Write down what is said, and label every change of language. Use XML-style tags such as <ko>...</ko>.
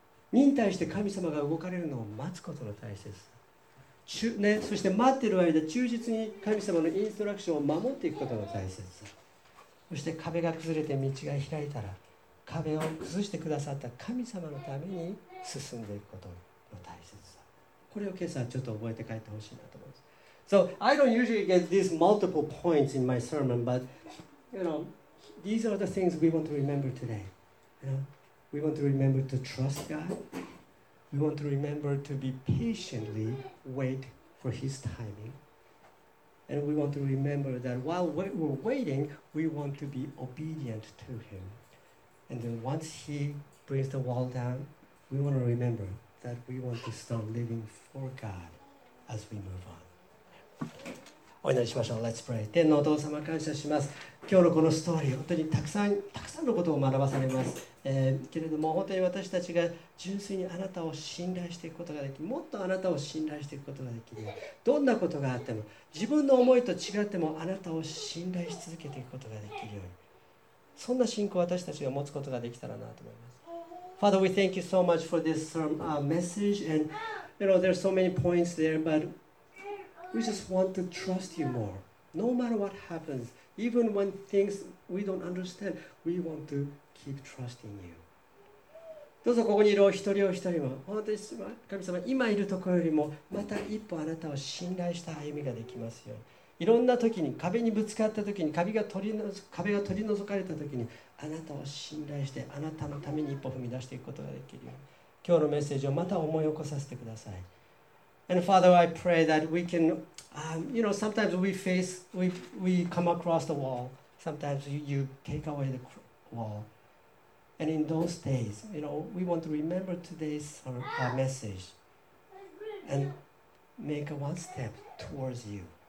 <ja>忍耐して神様が動かれるのを待つことの大切さ、ね、そして待ってる間忠実に神様のインストラクションを守っていくことの大切さ、そして壁が崩れて道が開いたら壁を崩してくださった神様のために進んでいくことの大切さ、これを今朝ちょっと覚えて帰ってほしいなと思います。</ja> <en>So, I don't usually get these multiple points in my sermon, but, you know, these are the things we want to remember today. You know, we want to remember to trust God. We want to remember to be patiently wait for His timing. And we want to remember that while we're waiting, we want to be obedient to Him. And then once He brings the wall down, we want to rememberthat we want to start living for God as we move on.</en> <ja>お祈りしましょう。</ja> <en>Let's pray.</en> <ja>天のお父様、感謝します。今日のこのストーリー、本当にたくさんたくさんのことを学ばされます、けれども本当に私たちが純粋にあなたを信頼していくことができ、もっとあなたを信頼していくことができる。どんなことがあっても、自分の思いと違ってもあなたを信頼し続けていくことができるように。そんな信仰を私たちが持つことができたらなと思います。</ja> <en>Father, we thank you so much for this message. And, you know, there are so many points there, but we just want to trust you more. No matter what happens, even when things we don't understand, we want to keep trusting you.</en> <ja>どうぞここにいる一人お一人も、本当に神様、今いるところよりも、また一歩あなたを信頼した歩みができますように。いろんな時に壁にぶつかった時に壁が取り除かれた時にあなたを信頼してあなたのために一歩踏み出していくことができるように今日のメッセージをまた思い起こさせてください。</ja> <en>And Father, I pray that we can, you know, sometimes we come across the wall. Sometimes you take away the wall. And in those days, you know, we want to remember today's message and make one step towards you.</en>